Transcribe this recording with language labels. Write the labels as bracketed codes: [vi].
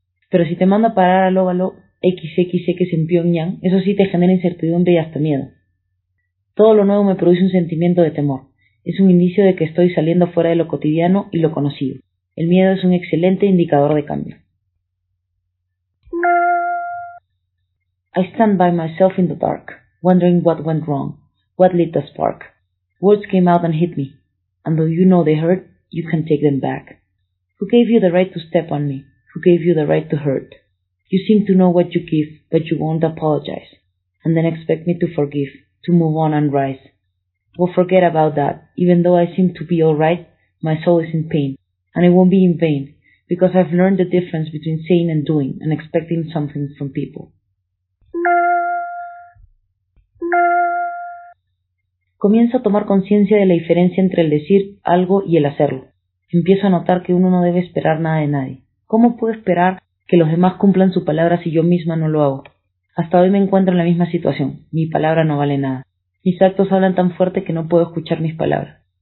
[es] Pero si te mando a parar al óvalo XXX en Pyongyang, eso sí te genera incertidumbre y hasta miedo. Todo lo nuevo me produce un sentimiento de temor. Es un indicio de que estoy saliendo fuera de lo cotidiano y lo conocido. El miedo es un excelente indicador de cambio. [en] I stand by myself in the dark, wondering what went wrong, what lit the spark. Words came out and hit me, and though you know they hurt, you can take them back. Who gave you the right to step on me? Who gave you the right to hurt? You seem to know what you give, but you won't apologize. And then expect me to forgive, to move on and rise. Well, forget about that. Even though I seem to be all right, My soul is in pain, and it won't be in vain, because I've learned the difference between saying and doing and expecting something from people. [es] Comienzo a tomar conciencia de la diferencia entre el decir algo y el hacerlo. Empiezo a notar que uno no debe esperar nada de nadie. ¿Cómo puedo esperar que los demás cumplan su palabra si yo misma no lo hago? Hasta hoy me encuentro en la misma situación. Mi palabra no vale nada. Mis actos hablan tan fuerte que no puedo escuchar mis palabras.